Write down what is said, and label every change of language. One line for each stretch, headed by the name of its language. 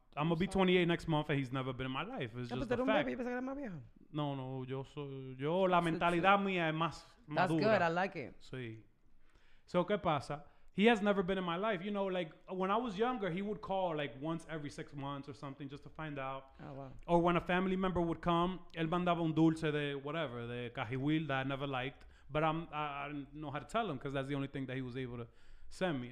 English: I'm gonna be 28 next month, and he's never been in my life. It's just a fact.
Spanish: No, yo la mentalidad mía es más madura.
English: That's good. I like it. Sí. So
Spanish: qué pasa?
English: He has never been in my life. You know, like when I was younger, he would call like once every 6 months or something just to find out. Oh, wow. Or when a family member would come,
Spanish: él mandaba un dulce de
English: whatever, de cajihuil that I never liked, but I didn't know how to tell him because that's the only thing that he was able to. Send me.